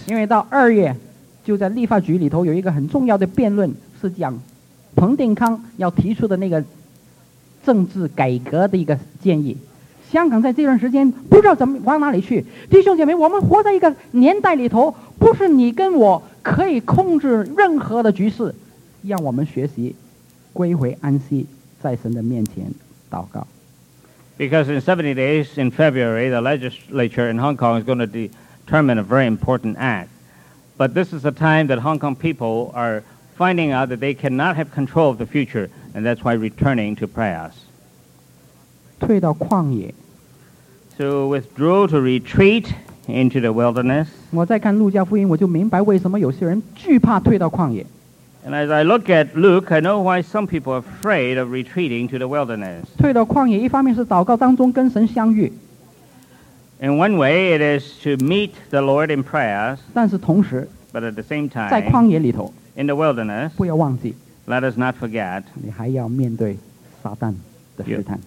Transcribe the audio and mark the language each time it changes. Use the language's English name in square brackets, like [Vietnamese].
[Chinese] 因为到二月就在立法局里头有一个很重要的辩论是讲彭定康要提出的那个政治改革的一个建议香港在这段时间不知道怎么往哪里去弟兄姐妹我们活在一个年代里头不是你跟我可以控制任何的局势让我们学习归回安息在神的面前祷告 [English] Because in 70 days in February the legislature in Hong Kong is going to dedetermine a very important act. But this is a time that Hong Kong people are finding out that they cannot have control of the future, and that's why returning to prayers. [Chinese] 退到旷野。 [English] So withdraw to retreat into the wilderness. [Chinese] 我在看路加福音，我就明白为什么有些人惧怕退到旷野。 [English] And as I look at Luke, I know why some people are afraid of retreating to the wilderness. [Chinese] 退到旷野，一方面是祷告当中跟神相遇。 [English] In one way, it is to meet the Lord in prayers, [Chinese] 但是同时 [English] but at the same time, [Chinese] 在旷野里头 [English] in the wilderness, [Chinese] 不要忘记 [English] let us not forget, [Chinese] 你还要面对撒旦的试探